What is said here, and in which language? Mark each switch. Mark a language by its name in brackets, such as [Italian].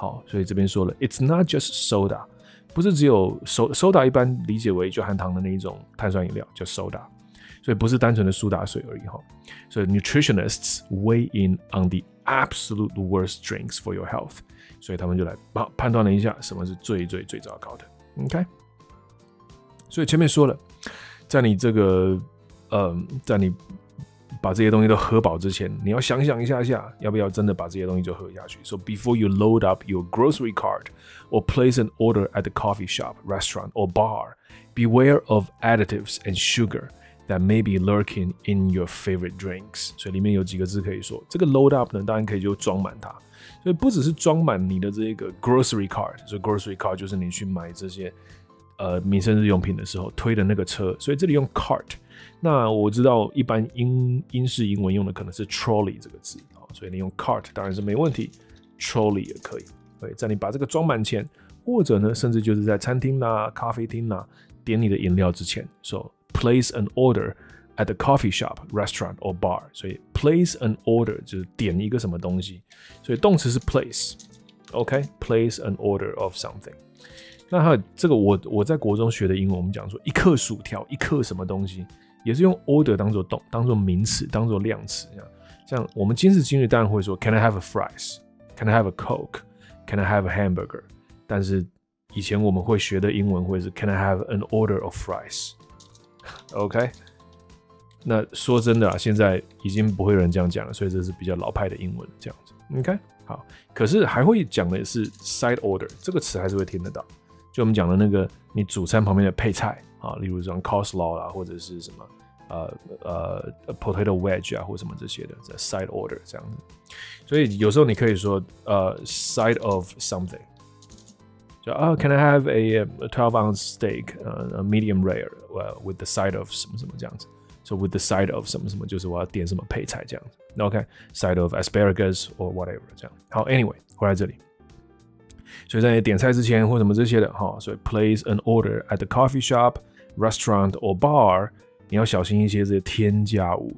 [Chinese] 所以这边说了 ， [English] it's not just soda， [Chinese] 不是只有 soda， 一般理解为就含糖的那一种碳酸饮料叫 soda。所以不是单纯的苏打水而已。所以 [English] nutritionists weigh in on the absolute worst drinks for your health， [Chinese] 所以他们就来判断了一下什么是最最最糟糕的。 [English] OK， [Chinese] 所以前面说了，在你这个在你把这些东西都喝饱之前，你要想想一下下要不要真的把这些东西就喝下去。 [English] So before you load up your grocery cart or place an order at the coffee shop, restaurant or bar, beware of additives and sugarThat may be lurking in your favorite drinks. [Chinese] 所以里面有几个字可以说，这个 load up 呢，当然可以就装满它。所以不只是装满你的这个 grocery cart， 所以 grocery cart 就是你去买这些民生日用品的时候推的那个车。所以这里用 cart。那我知道一般英式英文用的可能是 trolley 这个字，所以你用 cart 当然是没问题 ，trolley 也可以。对，在你把这个装满前，或者呢，甚至就是在餐厅啦、咖啡厅啦点你的饮料之前，说、so,。 [English] Place an order at the coffee shop, restaurant, or bar. [Chinese] 所以 place an order 就是点一个什么东西。所以动词是 place. [English] OK, place an order of something. [Chinese] 那还有这个我在国中学的英文，我们讲说一克薯条，一克什么东西，也是用 order 当做动，当做名词，当做量词。 [English] 像我们今时今日当然会说 Can I have a fries? Can I have a Coke? Can I have a hamburger? [Chinese] 但是以前我们会学的英文会是 [English] Can I have an order of fries? [Chinese] OK， 那说真的啊，现在已经不会有人这样讲了，所以这是比较老派的英文这样子。 OK， 好，可是还会讲的是 side order 这个词还是会听得到，就我们讲的那个你主餐旁边的配菜啊，例如像 coleslaw 啦、啊，或者是什么potato wedge 啊，或什么这些的，这 side order 这样子。所以有时候你可以说side of something。 [English] Can I have a 12-ounce steak, a medium rare, with the side of [Chinese] 什么什么这样子。 [English] So with the side of [Chinese] 什么什么，就是我要点什么配菜这样子。OK, [English] side of asparagus or whatever [Chinese] 这样。好 ，Anyway, 回来这里。所以在点菜之前或什么这些的，所以 [English] place an order at the coffee shop, restaurant or bar, [Chinese] 你要小心一些这些添加物。